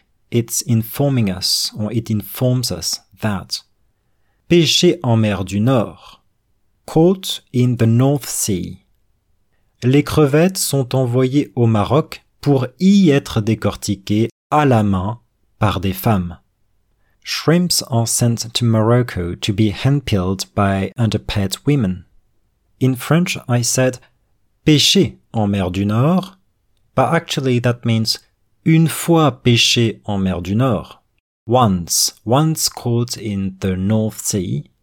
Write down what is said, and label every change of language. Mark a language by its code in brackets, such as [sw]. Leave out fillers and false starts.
[en] it's informing us, or it informs us that, [fr] pêcher en mer du Nord, [en] caught in the North Sea, [fr] les crevettes sont envoyées au Maroc pour y être décortiquées à la main par des femmes. [en] Shrimps are sent to Morocco to be hand-peeled by underpaid women. In French, I said [fr] pêcher en mer du Nord, [en] but actually that means [fr] une fois pêché en mer du Nord. [en] Once caught in the North Sea.